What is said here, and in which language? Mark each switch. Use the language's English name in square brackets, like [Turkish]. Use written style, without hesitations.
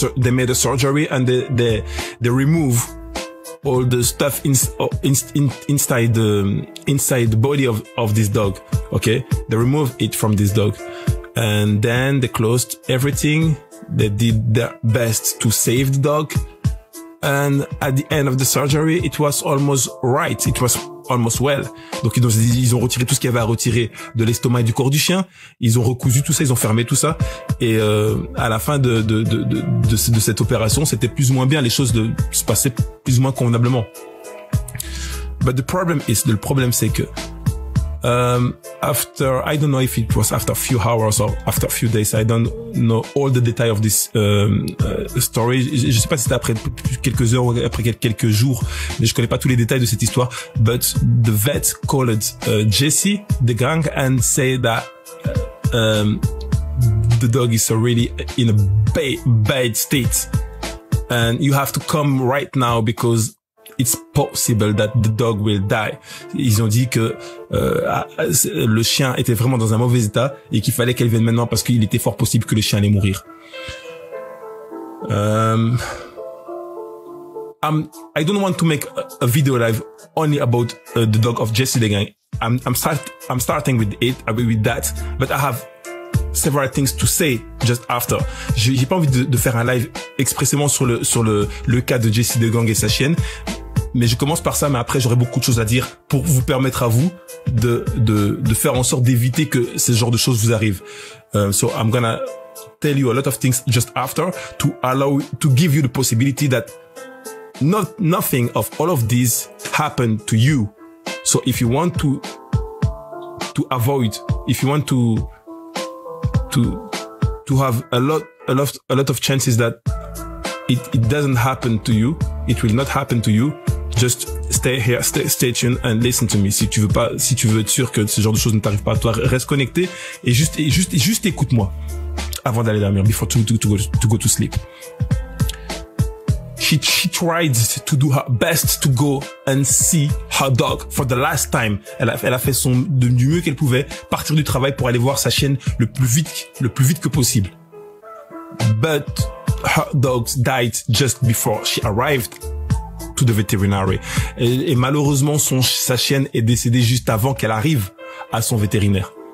[English] They made a surgery and they remove all the stuff inside the body of this dog. Okay, they remove it from this dog, and then they closed everything. They did their best to save the dog, and at the end of the surgery, it was almost right. It was almost well. [French] Donc ils ont retiré tout ce qu'il y avait à retirer de l'estomac et du corps du chien. Ils ont recousu tout ça, ils ont fermé tout ça. Et à la fin de cette opération, c'était plus ou moins bien. Les choses se passaient plus ou moins convenablement. [English] But the problem is, [French] le problème c'est que [English] after, I don't know if it was after a few hours or after a few days, I don't know all the details of this story. [French] Je sais pas si c'était après quelques heures ou après quelques jours, mais je connais pas tous les détails de cette histoire. [English] But the vet called Jesse the gang and said that the dog is really in a bad state, and you have to come right now because it's possible that the dog will die. [French] Ils ont dit que le chien était vraiment dans un mauvais état et qu'il fallait qu'elle vienne maintenant parce qu'il était fort possible que le chien allait mourir. [English] I don't want to make a video live only about the dog of Jesse the Gang. I'm starting with it, with that, but I have several things to say just after. [French] J'ai pas envie de faire un live expressément sur le cas de Jesse the Gang et sa chienne. Mais je commence par ça, mais après j'aurai beaucoup de choses à dire pour vous permettre à vous de faire en sorte d'éviter que ce genre de choses vous arrivent. [English] So I'm gonna tell you a lot of things just after to give you the possibility that nothing of all of this happened to you. So if you want to avoid, if you want to have a lot of chances that it doesn't happen to you, it will not happen to you. Just stay here, stay tuned and listen to me. [French] Si tu veux être sûr que ce genre de choses ne t'arrivent pas à toi, reste connecté et juste écoute-moi avant d'aller dormir, [English] before to go to sleep. She tried to do her best to go and see her dog for the last time. [French] Elle a fait du mieux qu'elle pouvait, partir du travail pour aller voir sa chienne le plus vite que possible. [English] But her dog died just before she arrived to the veterinary. [French] Et malheureusement, sa chienne est décédée juste avant qu'elle arrive à son vétérinaire.